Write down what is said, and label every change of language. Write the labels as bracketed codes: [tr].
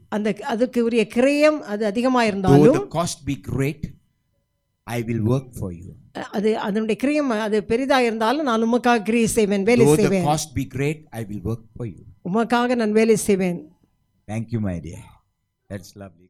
[ta] அந்த அதுக்கு உரிய கிரயம் அது அதிகமாக இருந்தாலும் [en] though the cost be great I will work for you [ta] அது அதனுடைய கிரயம் அது பெரிதாக இருந்தாலும் நான் உமக்காக கிரிய செய்வேன் வேலை செய்வேன் [en] though the cost be great I will work for you [ta] உமக்காக நான் வேலை செய்வேன் [en] thank you my dear that's lovely